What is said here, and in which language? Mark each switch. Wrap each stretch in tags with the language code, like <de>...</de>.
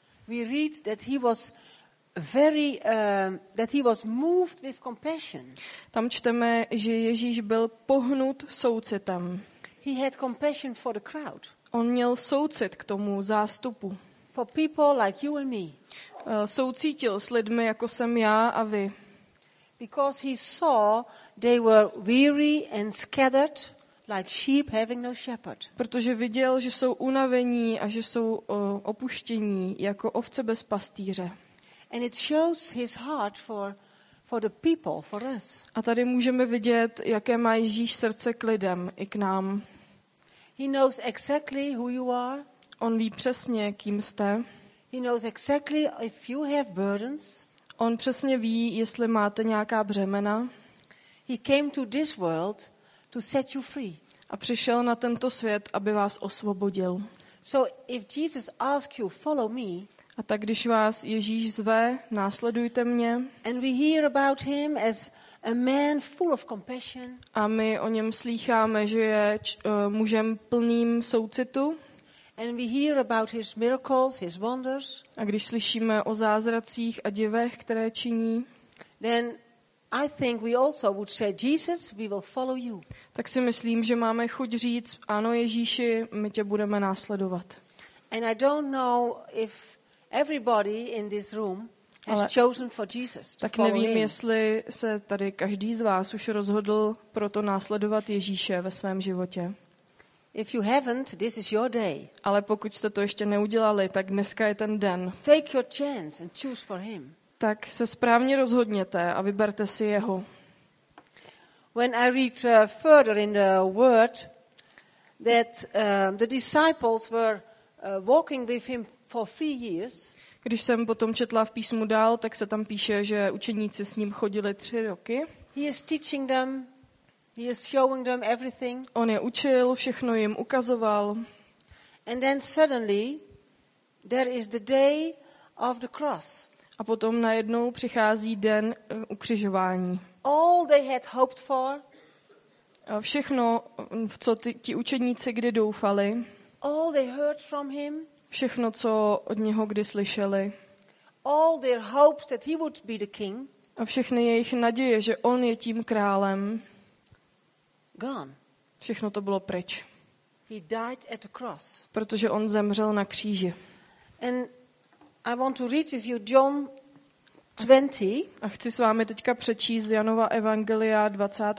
<en>We read that he was very, that he was moved with compassion.</en> <cs>Tam čteme, že Ježíš byl pohnut soucitem.</cs> <en>He had compassion for the crowd.</en> <cs>On měl soucit k tomu zástupu.</cs> <en>For people like you and me.</en> <cs>Soucítil s lidmi jako jsem já a vy.</cs> <en>Because he saw they were weary and scattered like sheep having no shepherd.</en> <cs>Protože viděl, že jsou unavení a že jsou opuštění jako ovce bez pastýře.</cs> <en>And it shows his heart for the people, for us.</en> <cs>A tady můžeme vidět, jaké má Ježíš srdce k lidem i k nám.</cs> <en>He knows exactly who you are.</en> <cs>On ví přesně, kým jste.</cs> <en>He knows exactly if you have burdens.</en> <cs>On přesně ví, jestli máte nějaká břemena.</cs> <en>He came to this world to set you free.</en> <cs>A přišel na tento svět, aby vás osvobodil.</cs> <en>So if Jesus asks you, "Follow me."</en> <cs>A tak když vás Ježíš zve, "Následujte mě."</cs> <en>And we hear about him as a man full of compassion.</en> <cs>A my o něm slýcháme, že je mužem plným soucitu.</cs> <en>And we hear about his miracles, his wonders.</en> <cs>A když slyšíme o zázracích a divech, které činí,</cs> <en>then I think we also would say, "Jesus, we will follow you."</en> <cs>Tak si myslím, že máme chuť říct, "Ano, Ježíši, my tě budeme následovat."</cs> <en>And I don't know if everybody in this room has chosen for Jesus.</en> <cs>Tak nevím, jestli se tady každý z vás už rozhodl pro to následovat Ježíše ve svém životě.</cs> <en>If you haven't, this is your day.</en> <cs>Ale pokud jste to ještě neudělali, tak dneska je ten den.</cs> <en>Take your chance and choose for him.</en> <cs>Tak se správně rozhodněte a vyberte si jeho.</cs> <en>When I read further in the word that the disciples were walking with him for 3 years.</en> <cs>Když jsem potom četla v písmu dál, tak se tam píše, že učeníci s ním chodili 3 roky.</cs> <en>He is teaching them. He is showing them everything.</en> <cs>On je učil, všechno jim ukazoval.</cs> <en>And then suddenly there is the day of the cross.</en> <cs>A potom najednou přichází den ukřižování.</cs> <en>All they had hoped for.</en> <cs>A všechno, v co ti učeníci kdy doufali.</cs> <en>All they heard from him.</en> <cs>Všechno, co od něho kdy slyšeli.</cs> <en>All their hopes that he would be the king.</en> <cs>A všechny jejich naděje, že on je tím králem.</cs> <en>Gone.</en> <cs>Všechno to bylo pryč.</cs> <en>He died at the cross.</en> <cs>Protože on zemřel na kříži.</cs> <en>And I want to read with you John 20.</en> <cs>A chci s vámi teďka přečíst Janova evangelia 20.</cs>